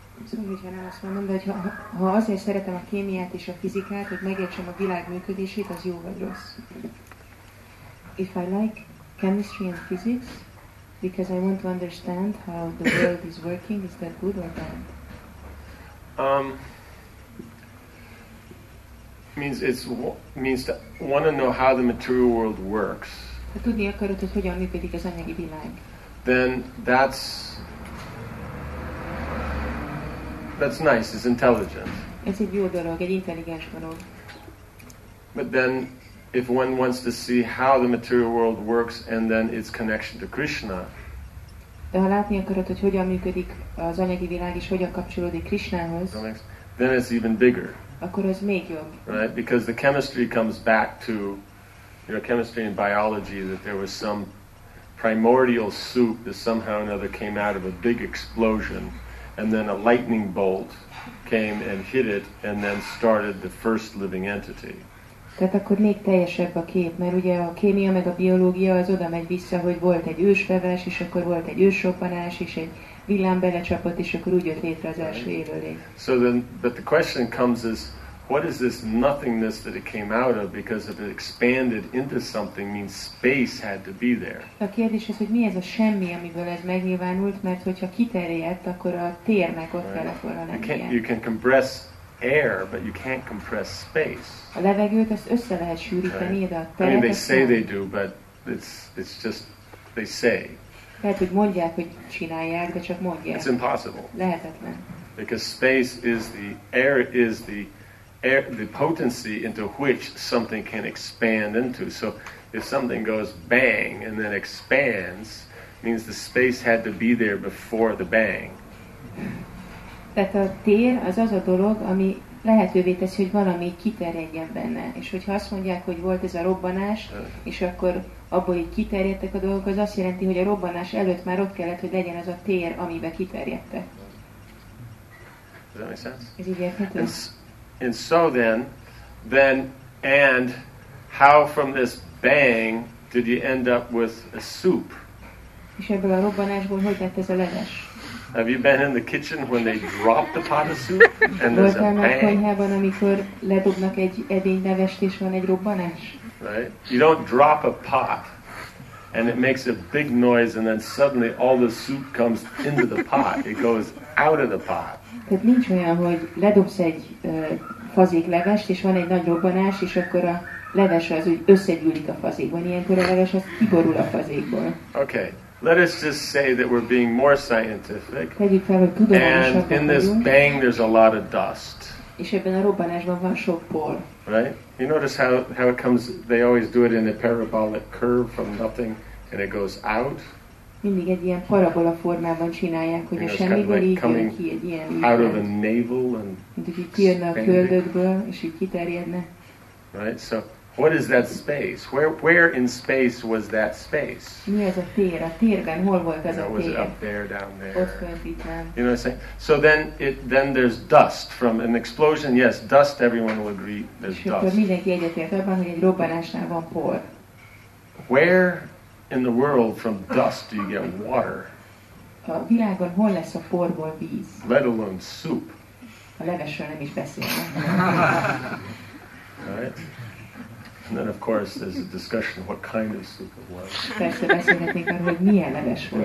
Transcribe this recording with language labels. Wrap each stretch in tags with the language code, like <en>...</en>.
<hu>Szóval, nem azt mondom, de hogy ha azért szeretem a kémiát és a fizikát, hogy megértsem a világ működését, az jó vagy rossz.</hu> <en>If I like chemistry and physics, because I want to understand how the world is working, is that good or bad? Means to want to know how the material world works.</en> <hu>Ha tudni akarod, hogy hogyan működik az anyagi világ.</hu> <en>Then that's nice, it's intelligent.</en> <hu>Ez egy jó dolog, egy intelligens dolog.</hu> <en>But then, if one wants to see how the material world works and then its connection to Krishna,</en> <hu>de ha látni akarod, hogy hogyan működik az anyagi világ és hogyan kapcsolódik Krishnához,</hu> <en>then it's even bigger.</en> <hu>Akkor az még jobb.</hu> <en>Right? Because the chemistry comes back to your chemistry and biology, that there was some primordial soup that somehow or another came out of a big explosion. And then a lightning bolt came and hit it, and then started the first living entity.</en> <hu>Tehát akkor még teljesebb a kép, mert ugye a kémia meg a biológia az oda megy vissza, hogy volt egy ősfeves, és akkor volt egy ősroppanás, és egy villám belecsapott, és akkor úgy jött létre az első élőlény.</hu> <en>So then, but the question comes is, what is this nothingness that it came out of? Because if it expanded into something, means space had to be there.</en> <hu>A kérdés az, hogy mi ez a semmi, amiből ez megnyilvánult, mert hogyha kiterjedt, akkor a térnek ott kellett</hu> <en>right.</en> <hu>volna lennie.</hu> <en>You can compress air, but you can't compress space.</en> <hu>A levegőt azt össze lehet sűríteni, de a teret.</hu> <en>I mean, they say they do, but it's just they say.</en> <hu>Lehet, hogy mondják, hogy csinálják, de csak mondják.</hu> <en>It's impossible.</en> <hu>Lehetetlen.</hu> <en>Because space is the air is the air, the potency into which something can expand into. So if something goes bang and then expands, means the space had to be there before the bang.</en> <hu>Tehát a tér az az a dolog, ami lehetővé teszi, hogy valami kiterjedjen benne. És hogyha azt mondják, hogy volt ez a robbanás, és akkor abból így kiterjedtek a dolgok, az azt jelenti, hogy a robbanás előtt már ott kellett, hogy legyen az a tér, amiben kiterjedtek.</hu> <en>Does that make sense? Ez And so then, and how from this bang did you end up with a soup?</en> <hu>És ebből a robbanásból hogy lett ez a leves?</hu> <en>Have you been in the kitchen when they drop the pot of soup and there's a bang?</en> <hu>Voltam a konyhában, amikor ledobnak egy edény levest és van egy robbanás?</hu> <en>Right? You don't drop a pot and it makes a big noise and then suddenly all the soup comes into the pot. It goes out of the pot.</en> <hu>Tehát nincs olyan, hogy ledobsz egy fazék levest, és van egy nagy robbanás, és akkor a leves az úgy összegyűlik a fazékban. Ilyenkor a leves az kiborul a fazékból.</hu> <en>Okay. Let us just say that we're being more scientific.</en> <hu>Tegyük fel, hogy tudományosabbak vagyunk.</hu> <en>And in this bang there's a lot of dust.</en> <hu>És ebben a robbanásban van sok por.</hu> <en>Right? You notice how it comes, they always do it in a parabolic curve from nothing, and it goes out.</en> <hu>Mindig egy ilyen parabola formában csinálják, hogy a semmiből így jön ki egy ilyen üveg. Mint hogy így kijönne a köldökből, és így kiterjedne.</hu> <en>Right, so what is that space? Where in space was that space?</en> <hu>Mi az a tér? A térben hol volt az a tér?</hu> <en>Was it up there, down there?</en> <hu>Ott fönt, itt van.</hu> <en>You know what I'm saying? So then there's dust from an explosion. Yes, dust, everyone will agree, there's dust.</en> <hu>És akkor mindenki egyetért abban, hogy egy robbanásnál van por.</hu> <en>Where in the world from dust do you get water?</en> <hu>A világon hol lesz a porból víz?</hu> <en>Let alone soup.</en> <hu>A levesről nem is beszélek.</hu> <en>Right? And then of course there's a discussion of what kind of soup it was.</en> <hu>Persze beszélhetnénk arról, hogy milyen leves volt.</hu>